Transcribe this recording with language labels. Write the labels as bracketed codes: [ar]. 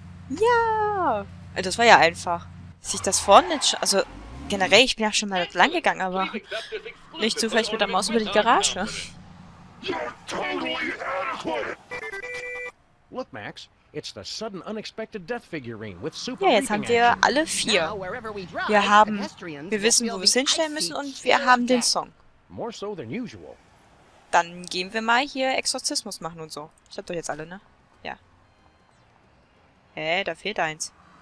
[de] Ja. Das war ja einfach. Sich das vorne... Also generell, ich bin ja schon mal lang gegangen, aber nicht zufällig mit der Maus über die Garage. [en] Look, Max, it's the sudden unexpected death figurine with super. [de] Ja, jetzt haben wir alle vier. Wir haben, wir wissen, wo wir es hinstellen müssen und wir haben den Song. [en] More so than usual. [de] dann gehen wir mal hier Exorzismus machen und so. Das habt ihr jetzt alle, ne? Ja. Hä, da fehlt eins.